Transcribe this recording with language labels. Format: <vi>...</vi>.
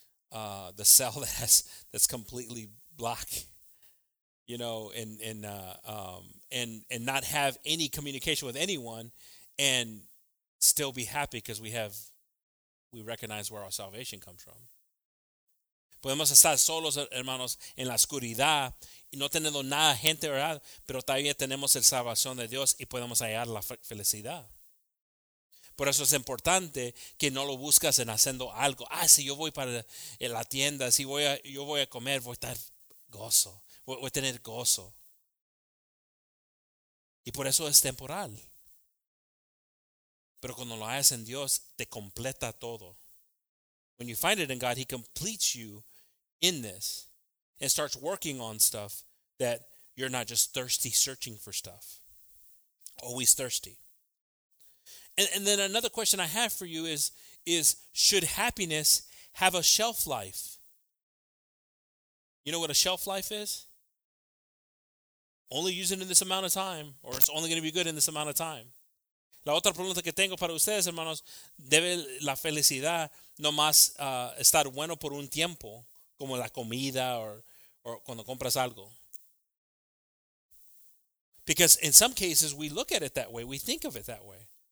<en>The cell that's completely black. You know, and not have any communication with anyone and still be happy because we recognize where our salvation comes from.</en> <es>Podemos estar solos, hermanos, en la oscuridad y no teniendo nada gente, ¿verdad? Pero todavía tenemos el salvación de Dios y podemos hallar la felicidad. Por eso es importante que no lo buscas en haciendo algo. Ah, si yo voy para la tienda, si yo voy a comer, voy a estar gozo. Voy a tener gozo. Y por eso es temporal. Pero cuando lo haces en Dios, te completa todo.</es> <en>When you find it in God, he completes you in this and starts working on stuff that you're not just thirsty searching for stuff. Always thirsty. And then another question I have for you is should happiness have a shelf life? You know what a shelf life is? Only use it in this amount of time, or it's only going to be good in this amount of time.</en> <es>La otra pregunta que tengo para ustedes, hermanos, ¿debe la felicidad nomás estar bueno por un tiempo, como la comida or cuando compras algo?</es> <en>Because in some cases, we look at it that way. We think of it that way.</en>